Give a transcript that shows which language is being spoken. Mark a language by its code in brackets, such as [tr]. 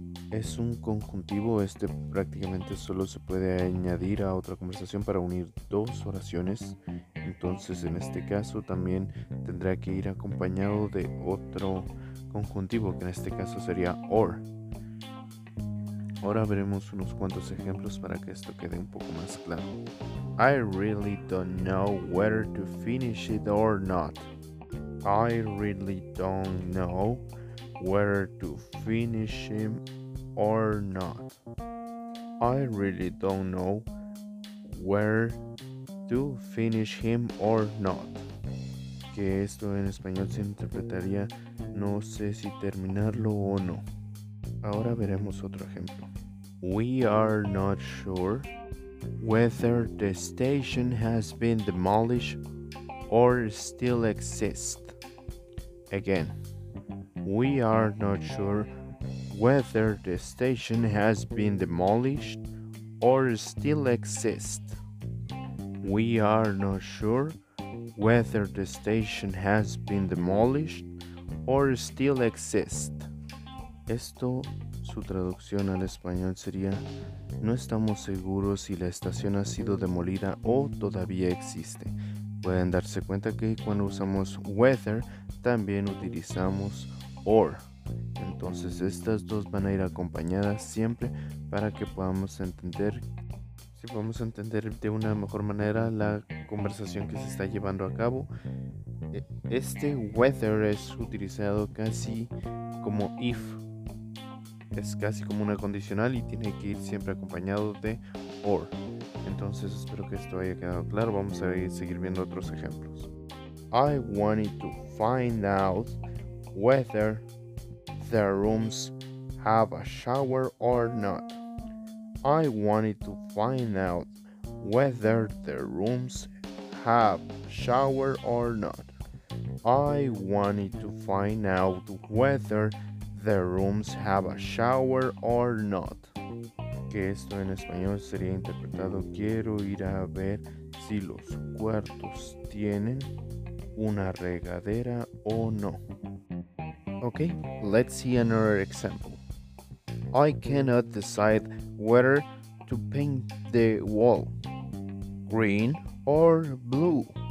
[es] Es un conjuntivo, este prácticamente solo se puede añadir a otra conversación para unir dos oraciones. Entonces, en este caso también tendrá que ir acompañado de otro conjuntivo, que en este caso sería or. Ahora veremos unos cuantos ejemplos para que esto quede un poco más claro. [en] I really don't know whether to finish it or not. I really don't know whether to finish him or not. I really don't know where to finish him or not. [es] Que esto en español se interpretaría no sé si terminarlo o no. Ahora veremos otro ejemplo. [en] We are not sure whether the station has been demolished or still exists. Again, we are not sure whether the station has been demolished or still exists. We are not sure whether the station has been demolished or still exists. [es] Esto, su traducción al español sería: no estamos seguros si la estación ha sido demolida o todavía existe. Pueden darse cuenta que cuando usamos whether, también utilizamos or. Entonces estas dos van a ir acompañadas siempre para que podamos entender, si podemos entender de una mejor manera la conversación que se está llevando a cabo. Este whether es utilizado casi como if, es casi como una condicional y tiene que ir siempre acompañado de or. Entonces espero que esto haya quedado claro. Vamos a seguir viendo otros ejemplos. [en] I wanted to find out whether the rooms have a shower or not. I wanted to find out whether the rooms have shower or not. I wanted to find out whether the rooms have a shower or not. [es] Que esto en español sería interpretado: quiero ir a ver si los cuartos tienen una regadera o no. [en] Okay, let's see another example. I cannot decide whether to paint the wall green or blue.